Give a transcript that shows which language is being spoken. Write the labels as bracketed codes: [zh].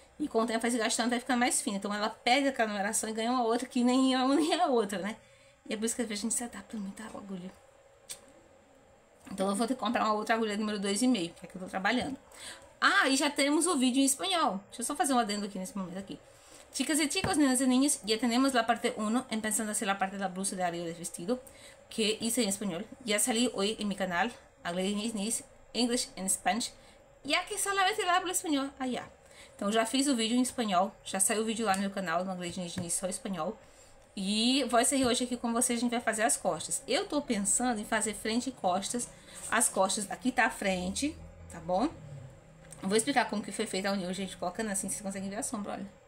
[pt] E com o tempo vai se gastando, vai ficando mais fina. Então, ela perde aquela numeração e ganha uma outra que nem é uma nem a outra, né? E é por isso que a gente se adapta muito à agulha. Então, eu vou ter que comprar uma outra agulha número 2,5, que é que eu tô trabalhando. Ah, e já temos o vídeo em espanhol. Deixa eu só fazer um adendo aqui nesse momento aqui. [es] Chicas e chicos, meninas e niños, ya tenemos la parte 1, empezando a hacer la parte de la blusa de área de vestido, que hice en español. Ya salí hoy en mi canal, a Gladys Nis, [en] English in Spanish, [es] ya que solamente hablo español allá. [pt] Então, já fiz o vídeo em espanhol, já saiu o vídeo lá no meu canal, no Gladys Nis, só espanhol. E vou sair hoje aqui com vocês, a gente vai fazer as costas. Eu tô pensando em fazer frente e costas. As costas, aqui tá a frente, tá bom? Vou explicar como que foi feita a união, gente, colocando assim, vocês conseguem ver a sombra, olha.